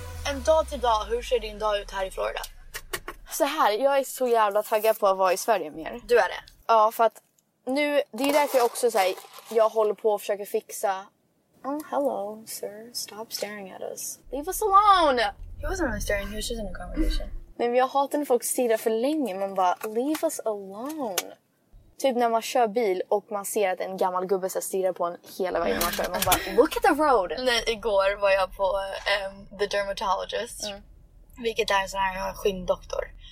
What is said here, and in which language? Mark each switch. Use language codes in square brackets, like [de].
[sv] En dag till dag, hur ser din dag ut här i Florida? Så här, jag är så jävla taggad på att vara i Sverige mer. Du är det? Ja, för att nu, det är därför jag också säger, jag håller på att försöka fixa. [en] Oh, hello, sir. Stop staring at us. Leave us alone! He wasn't really staring, he was just in a conversation. [sv] Men jag hatar när folk stirrar för länge. Man bara, [en] leave us alone. [sv] Typ när man kör bil och man ser att en gammal gubbe så stirrar på en hela vägen man kör. Man bara, [en] look at the road! [sv] Nej, igår var jag på [en] the dermatologist. [sv] Mm. Vilket är en sån här skinndoktor.